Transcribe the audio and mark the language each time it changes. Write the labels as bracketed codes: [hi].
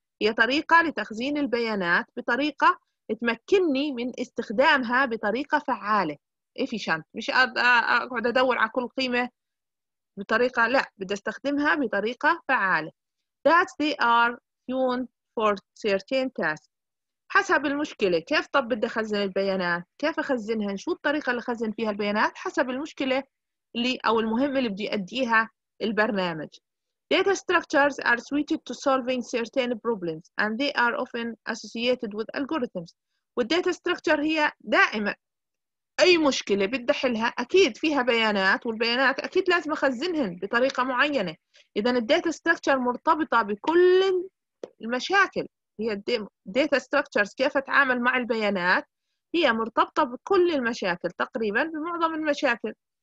[ar] هي طريقة لتخزين البيانات بطريقة تمكنني من استخدامها بطريقة فعالة efficient، مش أقعد أدور على كل قيمة بطريقة، لا بدي أستخدمها بطريقة فعالة. [en] That they are tuned for certain tasks. [ar] حسب المشكلة، كيف طب بدي أخزن البيانات، كيف أخزنها، شو الطريقة اللي أخزن فيها البيانات حسب المشكلة اللي أو المهمة اللي بدي أديها البرنامج. [en] Data structures are suited to solving certain problems and they are often associated with algorithms. [ar] والداتا ستراكشر هي دائما اي مشكله بدي احلها اكيد فيها بيانات، والبيانات اكيد لازم اخزنهم بطريقه معينه. اذا الداتا ستراكشر مرتبطه بكل المشاكل. هي الداتا ستراكشرز كيف اتعامل مع البيانات هي مرتبطه بكل المشاكل، تقريبا بمعظم المشاكل.